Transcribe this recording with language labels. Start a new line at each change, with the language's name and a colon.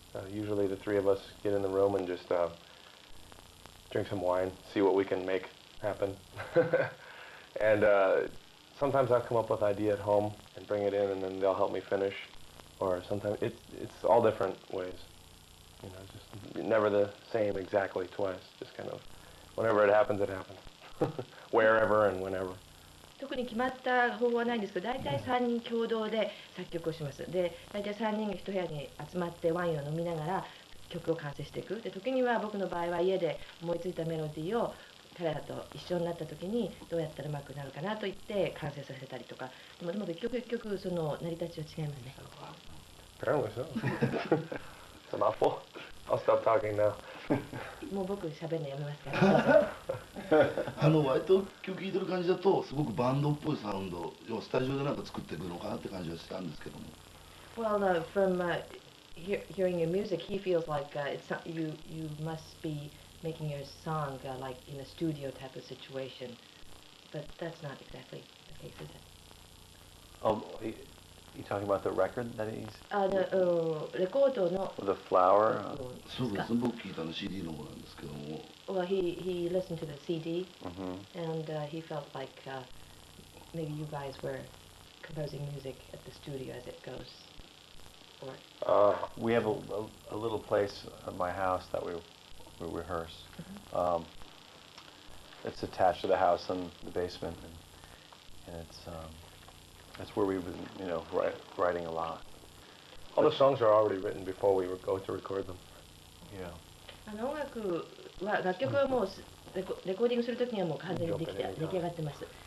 English: Usually the three of us get in the room and just drink some wine, see what we can make happen. And sometimes I'll come up with an idea at home and bring it in, and then they'll help me finish. Or sometimes it's all different ways. You know, just never the same exactly twice. Just kind of whenever it happens, it happens. Wherever and whenever.
Japanese: 特に決まった方法はないんですけど、大体3人共同で作曲をします。で、大体3人1部屋に集まってワインを飲みながら曲を完成していく。で、時には僕の場合は家で思いついたメロディーを彼らと一緒になった時にどうやったらうまくなるかなと言って完成させたりとか。でも結局その成り立ちは違いますね。
English: Apparently so. It's a mouthful. I'll stop talking now.
Japanese: もう僕喋んのやめますから。あの割と曲聴いてる感じだとすごくバンドっぽいサウンド、要はスタジオでなんか作っていくのかなって感じはしたんですけども。
English: Well, from hearing your music, he feels like you must be making your song like in a studio type of situation, but that's not exactly the case, is it? You talking about the record that he's?
Japanese: レコードの
English: The Flower.
Japanese: そうですね。僕聞いたの CD の方なんですけども。
English: Well, he listened to the CD, and he felt like maybe you guys were composing music at the studio as it goes. Or we have a little place at my house that we rehearse. It's attached to the house in the basement, and it's. That's where we've been, you know, writing a lot. All the songs are already written before we go to record them. Yeah.
Japanese: 音楽は、楽曲はもうレコーディングするときにはもう完全にできて、出来上がってます。